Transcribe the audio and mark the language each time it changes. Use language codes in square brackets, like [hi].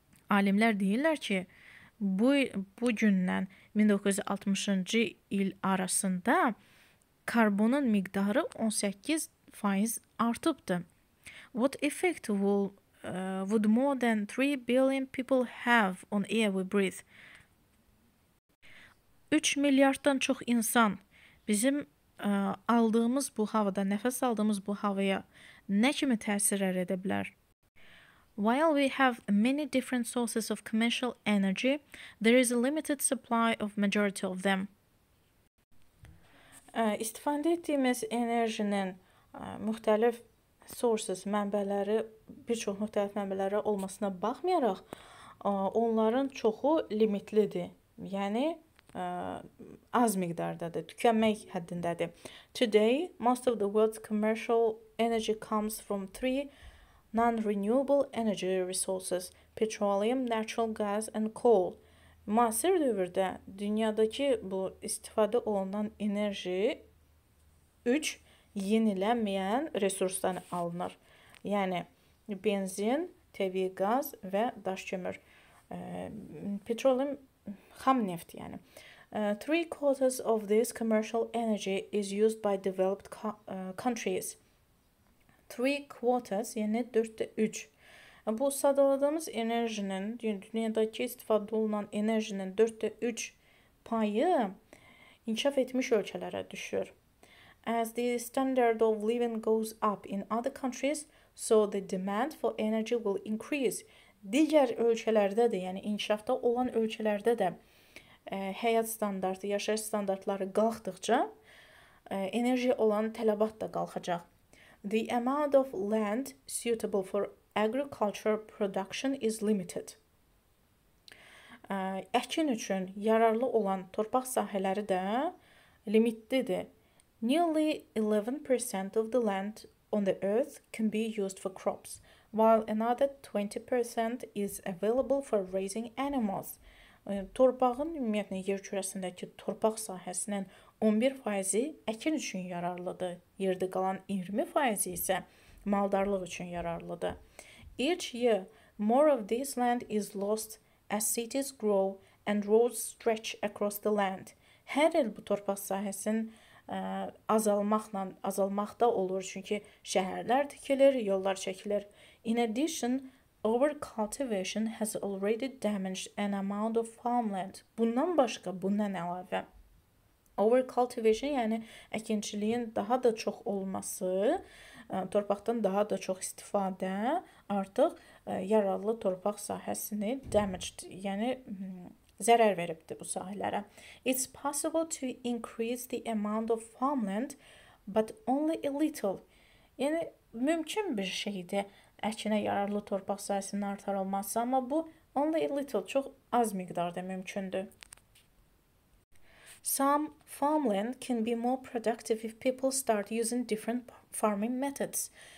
[az] Alimlər deyirlər ki, bu gündən 1960-cı il arasında karbonun miqdarı 18% artıbdı. [en] What effect would more than 3 billion people have on air we breathe? [az] 3 milyarddan çox insan bizim aldığımız bu havada, nəfəs aldığımız bu havaya nə kimi təsir edə bilər? [en] While we have many different sources of commercial energy, there is a limited supply of majority of them. [az] İstifadə etdiyimiz enerjinin müxtəlif [en] sources, [az] mənbələri, bir çox müxtəlif mənbələri olmasına baxmayaraq, onların çoxu limitlidir. Yəni, az miqdardadır, tükənmək həddindədir. [en] Today, most of the world's commercial energy comes from three non-renewable energy resources, petroleum, natural gas and coal. [az] Müasir dövrdə dünyadakı bu istifadə olunan enerji 3 yenilənməyən resursdan alınır. Yəni, benzin, təbii qaz və daş kömür. [en] Petroleum, [az] xam neft yəni. [en] Three quarters of this commercial energy is used by developed countries. Three quarters, [az] yəni 4/3. Bu sadaladığımız enerjinin, dünyadakı istifadə olunan enerjinin 4/3 payı inkişaf etmiş ölkələrə düşür. [en] As the standard of living goes up in other countries, so the demand for energy will increase. [az] Digər ölkələrdə də, yəni inkişafda olan ölkələrdə də həyat standartı, yaşayış standartları qalxdıqca enerji olan tələbat da qalxacaq. [en] The amount of land suitable for agriculture production is limited. [az] Əkin üçün yararlı olan torpaq sahələri də limitlidir. [en] Nearly 11% of the land on the earth can be used for crops, while another 20% is available for raising animals. [az] Torpağın, ümumiyyətlə, yer kürəsindəki torpaq sahəsinin 11%-i əkin üçün yararlıdır. Yerdə qalan 20%-i isə maldarlıq üçün yararlıdır. [en] Each year, more of this land is lost as cities grow and roads stretch across the land. [az] Hər il bu torpaq sahəsinin azalmaqda olur, çünki şəhərlər tikilir, yollar çəkilir. [en] In addition, over-cultivation has already damaged an amount of farmland. [az] Bundan başqa, bundan əlavə. [en] Over-cultivation, [az] yəni əkinçiliyin daha da çox olması, torpaqdan daha da çox istifadə artıq yararlı torpaq sahəsini [en] damaged, [az] yəni zərər veribdir bu sahələrə. [en] It's possible to increase the amount of farmland, but only a little. [az] Yəni, mümkün bir şeydir. Əkinə yararlı torpaq sahəsinin artırılması, amma bu [en] only a little, [az] çox az miqdarda mümkündür. [en] Some farmland can be more productive if people start using different farming methods.